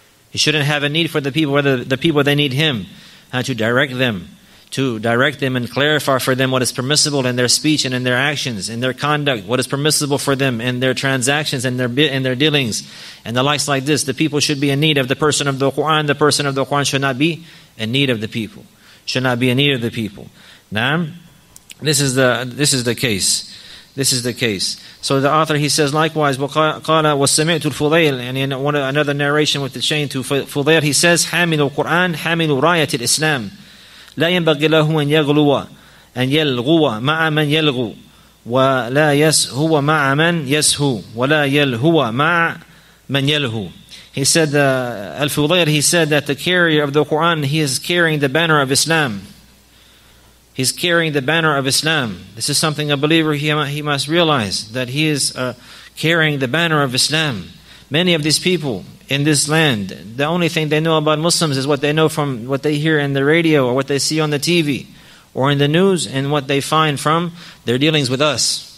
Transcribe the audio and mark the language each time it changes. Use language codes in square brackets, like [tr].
[en] He shouldn't have a need for the people, whether the people, they need him to direct them and clarify for them what is permissible in their speech and in their actions, in their conduct, what is permissible for them in their transactions and their dealings, and the likes like this. The people should be in need of the person of the Qur'an. The person of the Qur'an should not be in need of the people. Should not be in need of the people. Naam? This is the case. So the author, he says, likewise, [ar] وَقَالَ وَسَّمِعْتُ الْفُضَيْلِ, [en] and in another narration with the chain to Fudayl, he says, [ar] حَامِلُ الْقُرْآنِ حَامِلُ رَايَةِ الْإِسْلَامِ لَا يَنْبَغِي لَهُ أَنْ يَغْلُوَ أَنْ يَلْغُوَ مَعَ مَنْ يَلْغُوَ وَلَا يَسْهُوَ مَعَ مَنْ يَسْهُوَ وَلَا يَلْهُوَ مَعَ مَنْ يَلْهُوَ. [en] He said, Al-Fudayl, he said that the carrier of the Qur'an, he is carrying the banner of Islam. He's carrying the banner of Islam. This is something a believer, he must realize, that he is carrying the banner of Islam. Many of these people in this land, the only thing they know about Muslims is what they know from what they hear in the radio, or what they see on the TV, or in the news, and what they find from their dealings with us.